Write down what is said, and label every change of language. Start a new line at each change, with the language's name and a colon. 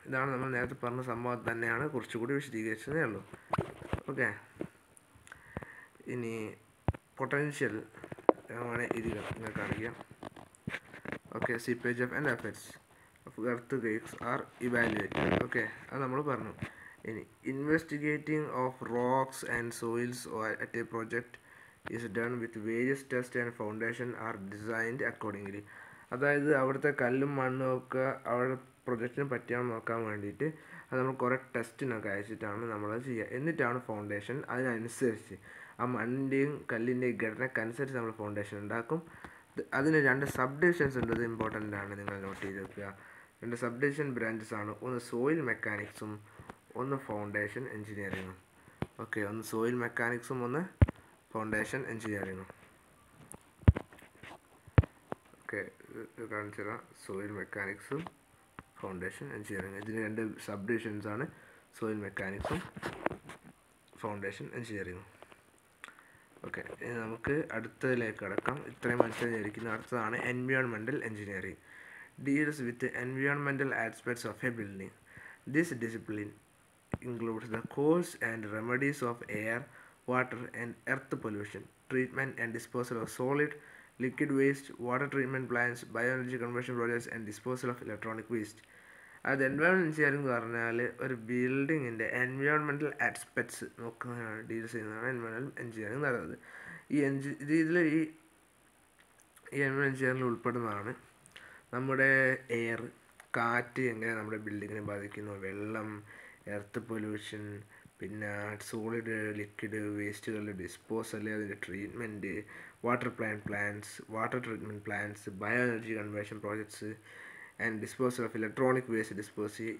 Malayalam: ഇതാണ് നമ്മൾ നേരത്തെ പറഞ്ഞ സംഭവം തന്നെയാണ്, കുറച്ചുകൂടി വിശദീകരിച്ചതേ ഉള്ളൂ. ഓക്കെ, ഇനി പൊട്ടൻഷ്യൽ ഇതാണ് നിങ്ങൾക്ക് അറിയാം.
English: Okay, seepage of and effects of earthquakes are evaluate.
Malayalam: Okay, അത് നമ്മൾ പറഞ്ഞു.
English: ഇനി investigating of rocks and soils at a project is done with various tests and foundation are designed accordingly.
Malayalam: അതായത് അവിടുത്തെ കല്ലും മണ്ണും ഒക്കെ അവിടെ പ്രൊജക്റ്റിന് പറ്റിയാണെന്ന് നോക്കാൻ വേണ്ടിയിട്ട് അത് നമ്മൾ കുറേ ടെസ്റ്റിനൊക്കെ അയച്ചിട്ടാണ് നമ്മളത് ചെയ്യുക. എന്നിട്ടാണ് ഫൗണ്ടേഷൻ അതിനനുസരിച്ച് ആ മണ്ണിൻ്റെയും കല്ലിൻ്റെയും ഘടനക്കനുസരിച്ച് നമ്മൾ ഫൗണ്ടേഷൻ ഉണ്ടാക്കും. അതിന് രണ്ട് സബ് ഡിവിഷൻസ് ഉണ്ട്, അത് ഇമ്പോർട്ടൻ്റ് ആണ് നിങ്ങൾ നോട്ട് ചെയ്ത് വെക്കുക. രണ്ട് സബ് ഡിവിഷൻ ബ്രാഞ്ചസ് ആണ്, ഒന്ന് സോയിൽ മെക്കാനിക്സും ഒന്ന് ഫൗണ്ടേഷൻ എൻജിനീയറിങ്ങും. ഓക്കെ, ഒന്ന് സോയിൽ മെക്കാനിക്സും ഒന്ന് ഫൗണ്ടേഷൻ എൻജിനീയറിങ്ങും. ഓക്കെ, കാണിച്ചതാണ് സോയിൽ മെക്കാനിക്സും ഫൗണ്ടേഷൻ എൻജിനീയറിങ്ങും. ഇതിന് രണ്ട് സബ് ഡിവിഷൻസാണ്, സോയിൽ മെക്കാനിക്സും ഫൗണ്ടേഷൻ എൻജിനീയറിങ്ങും. ഓക്കെ, ഇനി നമുക്ക് അടുത്തതിലേക്ക് കടക്കാം. ഇത്രയും മനസ്സിലായിരിക്കുന്ന അടുത്തതാണ്
English: എൻവയോൺമെൻ്റൽ engineering deals with എൻവയോൺമെൻ്റൽ aspects of A building. This discipline includes the cause and remedies of air, water and earth pollution, treatment and disposal of solid liquid waste, water treatment plants, bioenergy conversion projects and disposal of electronic waste.
Malayalam: അത് environment engineering എന്ന് പറഞ്ഞാൽ ഒരു ബിൽഡിങ്ങിൻ്റെ എൻവയോൺമെൻ്റൽ aspects നോക്കുന്നതാണ്, deal ചെയ്യുന്നതാണ് environment engineering നടത്തുന്നത്. ഈ ഇതിൽ ഈ എൻവയോൺമെൻ്റ് എഞ്ചിനീയറിംഗ് ഉൾപ്പെടുന്നതാണ് നമ്മുടെ എയർ, കാറ്റ് എങ്ങനെ നമ്മുടെ ബിൽഡിങ്ങിനെ ബാധിക്കുന്നു, വെള്ളം, എർത്ത് പൊല്യൂഷൻ, പിന്നെ സോളിഡ് ലിക്വിഡ് വേസ്റ്റുകളുടെ ഡിസ്പോസൽ, അതിൻ്റെ treatment, water plant plans, water treatment plans,
English: Bio energy conversion projects and disposal of electronic waste dispose.